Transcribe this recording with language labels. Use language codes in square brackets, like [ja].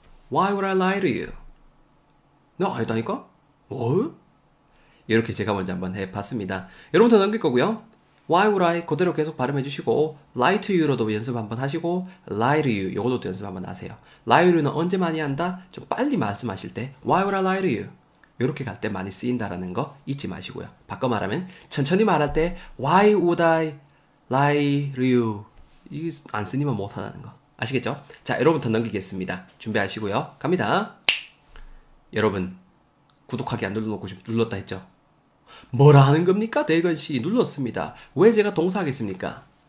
[en] Why would I lie to you? [ko] 나 아니다니까? 뭐? 이렇게 제가 먼저 한번 해봤습니다. 여러분도 넘길 거고요. [en] Why would I? [ko] 그대로 계속 발음해 주시고, [en] lie to you [ko] 로도 연습 한번 하시고, lie to you. 요것도 연습 한번 하세요. [en] lie to you [ko] 는 언제 많이 한다? 좀 빨리 말씀하실 때, [en] Why would I lie to you? [ko] 이렇게 갈때 많이 쓰인다라는 거 잊지 마시고요. 바꿔 말하면, 천천히 말할 때, [en] Why would I lie to you? [ko] 이게 안 쓰니만 못하다는 거. 아시겠죠? 자, 여러분부터 넘기겠습니다. 준비하시고요. 갑니다. 여러분, 구독하기 안 눌러놓고 눌렀다 했죠? 뭐라 하는 겁니까? 대건 씨, 눌렀습니다. 왜 제가 동사하겠습니까?